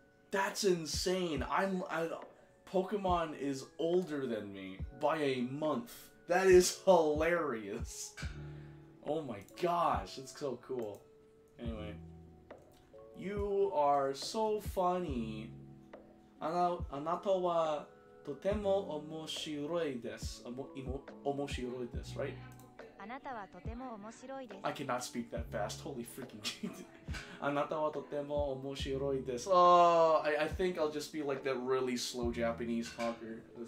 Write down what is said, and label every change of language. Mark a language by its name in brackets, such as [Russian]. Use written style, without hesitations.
[English] That's insane. Pokemon is older than me by a month. That is hilarious. Oh my gosh, it's so cool. Anyway. You are so funny. [Japanese] あなたはとても面白いです。面白いです、 [English] right? [Japanese] あなたはとても面白いです。 [English] I cannot speak that fast. Holy freaking Jesus. [Japanese] あなたはとても面白いです。 [English] Oh, I think I'll just be like that really slow Japanese talker.